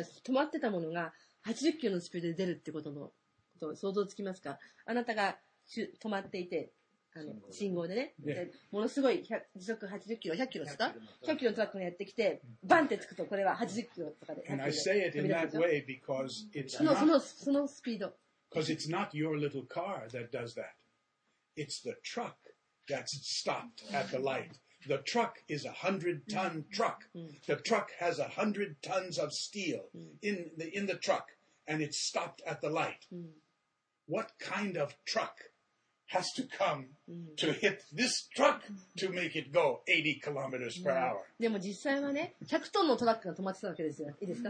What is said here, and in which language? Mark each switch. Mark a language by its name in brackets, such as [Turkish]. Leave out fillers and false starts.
[Japanese] 止まってたものが80キロのスピードで出るってことの。想像つきますか？あなたが止まっていて、信号でね、ものすごい時速80キロ、100キロですか？ 100キロのトラックがやってきて、バンってつくと、これは80キロとかで。 [English] And I say it in that way because it's not... [Japanese] そのスピード。 [English] Because it's not your little car that does that. It's the truck that's stopped at the light. The truck is a 100-ton truck. The truck has 100 tons of steel in the truck. And it stopped at the light. What kind of truck has to come to hit this truck to make it go 80 kilometers per hour? [Japanese] でも実際はね、100トンのトラックが止まってたわけですよ。いいですか？